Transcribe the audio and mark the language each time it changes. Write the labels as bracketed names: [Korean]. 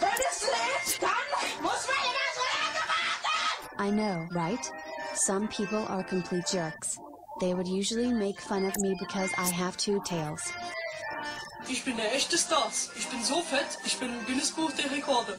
[German] Wenn es lädt, dann muss man immer so lange warten! [English] I know, right? Some people are complete jerks. They would usually make fun of me because I have two tails. [German] Ich bin der echte Stars. Ich bin so fett, ich bin im Guinness Buch der Rekorde.